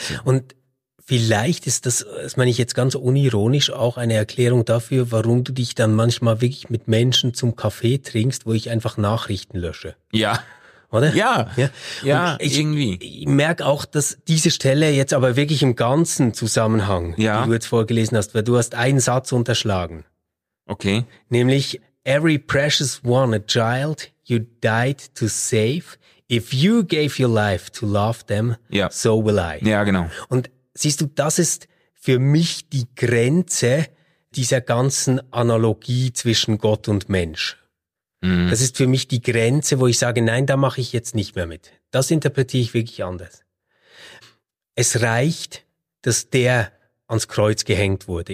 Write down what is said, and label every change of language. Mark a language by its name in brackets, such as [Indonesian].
[German] Und vielleicht ist das, das meine ich jetzt ganz unironisch, auch eine Erklärung dafür, warum du dich dann manchmal wirklich mit Menschen zum Kaffee trinkst, wo ich einfach Nachrichten lösche. Ja. Oder? Ja, ich, irgendwie. Ich merke auch, dass diese Stelle jetzt aber wirklich im ganzen Zusammenhang, die du jetzt vorgelesen hast, weil du hast einen Satz unterschlagen. Okay. Nämlich, [English] every precious one, a child you died to save, if you gave your life to love them, so will I. [German] Ja, genau. Und siehst du, das ist für mich die Grenze dieser ganzen Analogie zwischen Gott und Mensch. Das ist für mich die Grenze, wo ich sage, nein, da mache ich jetzt nicht mehr mit. Das interpretiere ich wirklich anders. Es reicht, dass der ans Kreuz gehängt wurde.